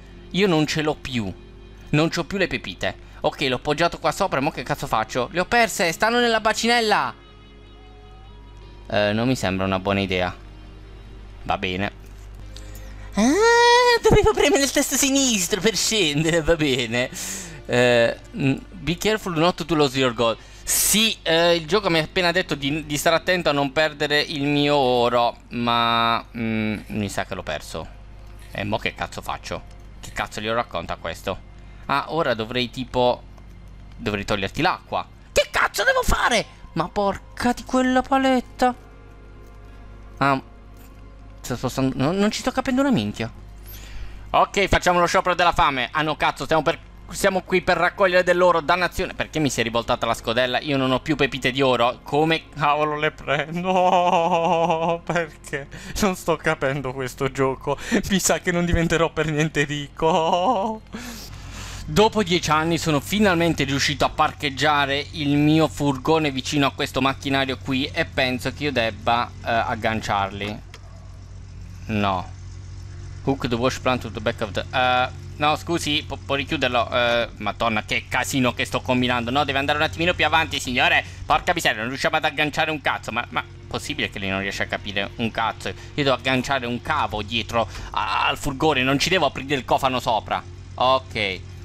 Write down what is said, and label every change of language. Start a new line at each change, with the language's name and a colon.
Italian: Io non ce l'ho più. Non c'ho più le pepite. Ok, l'ho appoggiato qua sopra, mo che cazzo faccio? Le ho perse, stanno nella bacinella. Non mi sembra una buona idea. Va bene. Dovevo premere il tasto sinistro per scendere, va bene.
English: Be careful not to lose your gold.
Italian: Sì, il gioco mi ha appena detto di stare attento a non perdere il mio oro. Ma mi sa che l'ho perso. E mo che cazzo faccio? Che cazzo glielo racconta questo? Ah, ora dovrei tipo... Dovrei toglierti l'acqua. Che cazzo devo fare? Ma porca di quella paletta. Ah, sto spostando... No, non ci sto capendo una minchia. Ok, facciamo lo sciopero della fame. Ah no, cazzo, siamo qui per raccogliere dell'oro. Dannazione. Perché mi si è rivoltata la scodella? Io non ho più pepite di oro. Come cavolo le prendo? Perché? Non sto capendo questo gioco. Mi sa che non diventerò per niente ricco. Dopo 10 anni sono finalmente riuscito a parcheggiare il mio furgone vicino a questo macchinario qui e penso che io debba agganciarli. No.
English: Hook the wash plant to the back of the...
Italian: no, scusi, può richiuderlo. Madonna, che casino che sto combinando. No, deve andare un attimino più avanti, signore. Porca miseria, non riusciamo ad agganciare un cazzo. Ma possibile che lei non riesca a capire un cazzo? Io devo agganciare un cavo dietro al furgone, non ci devo aprire il cofano sopra. Ok.